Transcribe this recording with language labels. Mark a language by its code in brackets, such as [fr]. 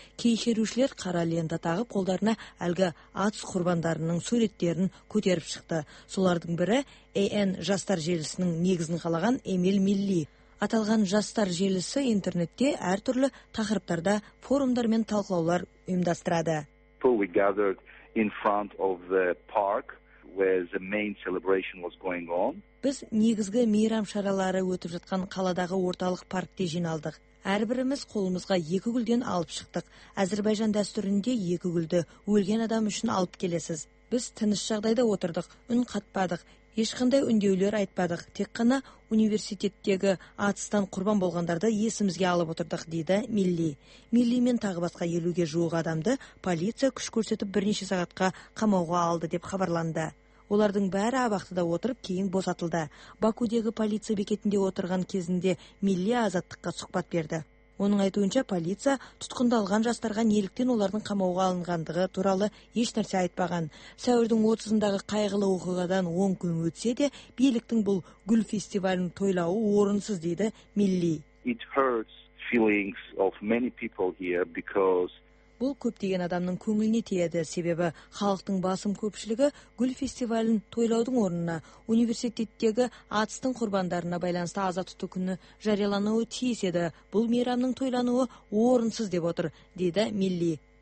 [kk] Кей шерушілер қара лента тағып қолдарына әлгі атыс құрбандарының суреттерін көтеріп шықты. Солардың бірі AN жастар желісінің негізін қалаған Эмиль Милли. Аталған жастар желісі интернетте әртүрлі тақырыптарда форумдар мен талқылаулар ұйымдастырады. [en] We gathered in front of the park where the main celebration was going on. [kk] Біз негізгі мейрам шаралары өтіп жатқан қаладағы орталық паркте жиналдық. Әрбіріміз қолымызға екі гүлден алып шықтық. Әзербайжан дәстүрінде екі гүлді өлген адам үшін алып келесіз. Біз тыныш жағдайда отырдық, үн қатпадық. Ешқандай үндеулер айтпадық, тек қана университеттегі атыстан құрбан болғандарды есімізге алып отырдық, дейді Милли. Милли мен тағы басқа 50-ге жуық адамды полиция күш көрсетіп бірнеше сағатқа қамауға алды, деп хабарланды. Олардың бәрі абақтыда отырып, кейін босатылды. Бакудегі полиция бекетінде отырған кезінде Милли азаттыққа сұхбат берді. Оның айтуынша, полиция тұтқындалған жастарға неліктен олардың қамауға алынғандығы туралы еш нәрсе айтпаған. Сәуірдің 30-ындағы қайғылы оқиғадан 10 күн өтсе де, биліктің бұл гүл фестивалін тойлауы орынсыз, дейді Милли. [en] It hurts feelings of many people here because [kk] бұл көптеген адамның көңіліне тиеді, себебі халықтың басым көпшілігі гүл фестивалін тойлаудың орнына университеттегі атыстың құрбандарына байланысты аза тұту күні жариялануы тиіс еді. Бұл мейрамның тойлануы орынсыз, деп отыр, дейді Милли.